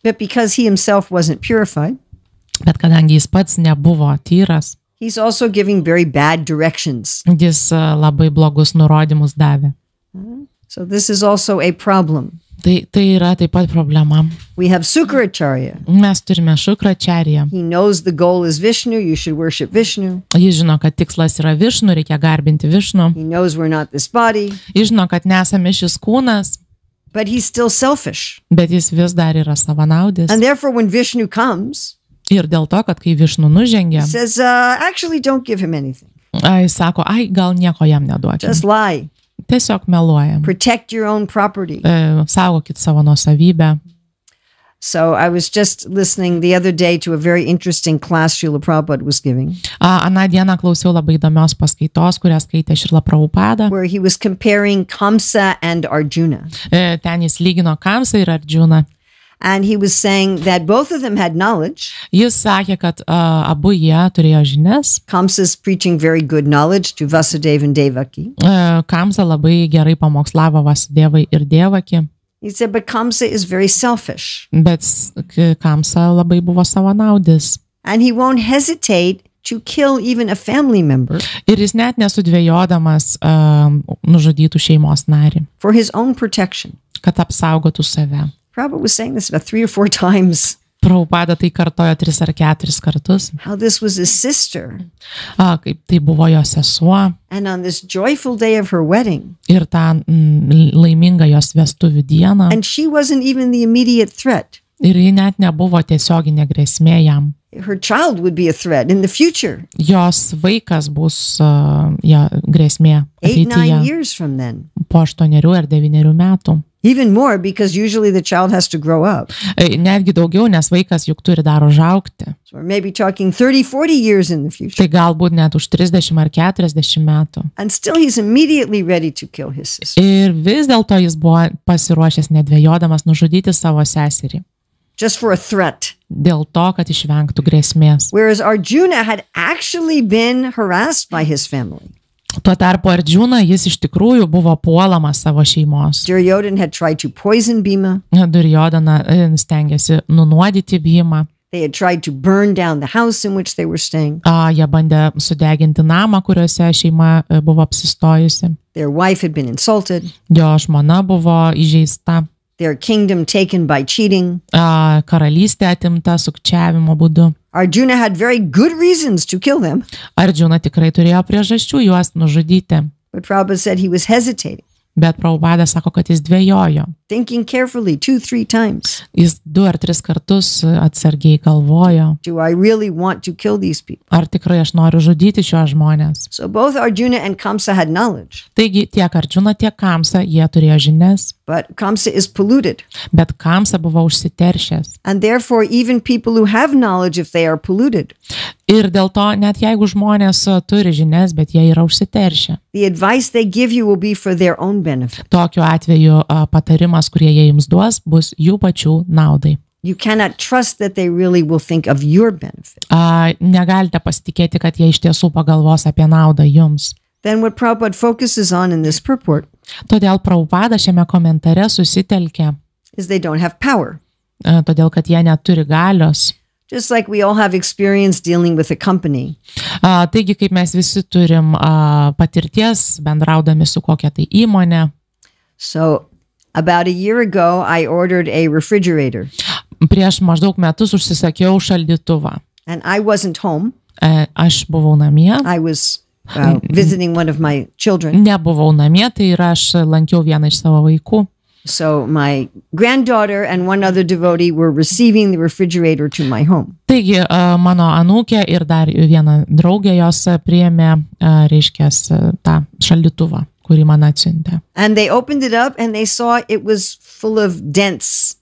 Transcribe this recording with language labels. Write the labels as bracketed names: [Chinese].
[English] But because he himself wasn't purified. [Lithuanian] Bet kadangi jis pats nebuvo tyras, [English] he's also giving very bad directions. [Lithuanian] Jis labai blogus nurodymus davė. [English] So this is also a problem. [Lithuanian] Tai yra taip pat problema. [English] We have Sukracharya. [Lithuanian] Mes turime Sukracharya. [English] He knows the goal is Vishnu, you should worship Vishnu. [Lithuanian] Jis žino, kad tikslas yra Vishnu, reikia garbinti Vishnu. [English] He knows we're not this body. [Lithuanian] Jis žino, kad nesame šis kūnas. [English] But he's still selfish. [Lithuanian] Bet jis vis dar yra savanaudis. [English] And therefore when Vishnu comes, [Lithuanian] ir dėl to, kad kai Vishnu nužengė, [English] says, actually don't give him anything. [Lithuanian] Ai, sako, ai, gal nieko jam neduoti. [English] Just lie. [Lithuanian] Tiesiog meluojam. [English] Protect your own property. [Lithuanian] Saugokit savo nuosavybę. [English] So I was just listening the other day to a very interesting class Srila Prabhupada was giving. [Lithuanian] Aną dieną klausiau labai įdomios paskaitos, kurią skaitė Srila Prabhupada. [English] Where he was comparing Kamsa and Arjuna. [Lithuanian] Ten jis lygino Kamsa ir Arjuna. [English] And he was saying that both of them had knowledge. [Lithuanian] Jis sakė, kad abu jie turėjo žinias. [English] Kamsa is preaching very good knowledge to Vasudev and Devaki. [Lithuanian] Kamsa labai gerai pamokslavo Vasudevai ir Devaki. [English] He said, but Kamsa is very selfish. [Lithuanian] Bet Kamsa labai buvo savanaudis. [English] And he won't hesitate to kill even a family member. [Lithuanian] Ir jis net nesudvejodamas nužudytų šeimos narį. [English] For his own protection. [Lithuanian] Kad apsaugotų save. [English] Prabhupada was saying this about 3 or 4 times. [Lithuanian] Prabhupada tai kartojo 3 ar 4 kartus. [English] How this was his sister. [Lithuanian] Kaip tai buvo jo sesuo. [English] And on this joyful day of her wedding. [Lithuanian] Ir tą laimingą jos vestuvių dieną. [English] And she wasn't even the immediate threat. [Lithuanian] Ir ji net nebuvo tiesioginė grėsmė jam. [English] Her child would be a threat in the future. [Lithuanian] Jos vaikas bus grėsmė ateityje. [English] 8-9 years from then. [Lithuanian] Po 8 ar 9 metų. [English] Even more, because usually the child has to grow up. [Lithuanian] Netgi daugiau, nes vaikas juk turi dar užaugti. [English] So we're maybe talking 30-40 years in the future. [Lithuanian] Tai galbūt net už 30 ar 40 metų. [English] And still he's immediately ready to kill his sister. [Lithuanian] Ir vis dėlto jis buvo pasiruošęs nedvejodamas nužudyti savo seserį. [English] Just for a threat. [Lithuanian] Dėl to, kad išvengtų grėsmės. [English] Whereas Arjuna had actually been harassed by his family. [Lithuanian] Tuo tarpu Arjuna, jis iš tikrųjų buvo puolamas savo šeimos. [English] Duryodhana had tried to poison Bhima. [Lithuanian] Duryodhana stengiasi nunuodyti Bhima. [English] They had tried to burn down the house in which they were staying. [Lithuanian] Jie bandė sudeginti namą, kuriuose šeima buvo apsistojusi. [English] Their wife had been insulted. [Lithuanian] Jo žmona buvo įžeista. [English] Their kingdom taken by cheating. [Lithuanian] Karalystė atimta sukčiavimo būdu. [English] Arjuna had very good reasons to kill them. [Lithuanian] Arjuna tikrai turėjo priežasčių juos nužudyti. [English] But Prabhupada said he was hesitating. [Lithuanian] Bet Prabhupada sako, kad jis dvejojo. [English] Thinking carefully, 2-3 times. [Lithuanian] Jis 2 ar 3 kartus atsargiai galvojo. [English] Do I really want to kill these people? [Lithuanian] Ar tikrai aš noriu žudyti šiuos žmones? [English] So both Arjuna and Kamsa had knowledge. [Lithuanian] Taigi tiek Arjuna, tiek Kamsa, jie turėjo žinias. [English] But Kamsa is polluted. [Lithuanian] Bet Kamsa buvo užsiteršęs. [English] And therefore even people who have knowledge if they are polluted. [Lithuanian] Ir dėl to, net jeigu žmonės turi žinias, bet jie yra užsiteršę. [English] The advice they give you will be for their own benefit. [Lithuanian] Tokiu atveju patarimas, kurie jie jums duos, bus jų pačių naudai. [English] You cannot trust that they really will think of your benefit. [Lithuanian] Negalite pasitikėti, kad jie iš tiesų pagalvos apie naudą jums. [English] Then what Prabhupada focuses on in this purport. [Lithuanian] Todėl Prabhupada šiame komentare susitelkė. [English] Is they don't have power. [Lithuanian] Todėl, kad jie neturi galios. [English] Just like we all have experience dealing with a company. [Lithuanian] Taigi, kaip mes visi turim patirties bendraudami su kokia tai įmone. [English] So, about a year ago, I ordered a refrigerator. [Lithuanian] Prieš maždaug metus užsisakiau šaldytuvą. [English] And I wasn't home. [Lithuanian] Aš buvau namie. [English] I was visiting one of my children. [Lithuanian] Nebuvau namie, tai ir aš lankiau vieną iš savo vaikų. [English] So my granddaughter and one other devotee were receiving the refrigerator to my home. [Lithuanian] Taigi, mano anūkė ir dar viena draugė jos priėmė, reiškias, tą šaldytuvą, kurį man atsiuntė. [English] And they opened it up and they saw it was full of dents.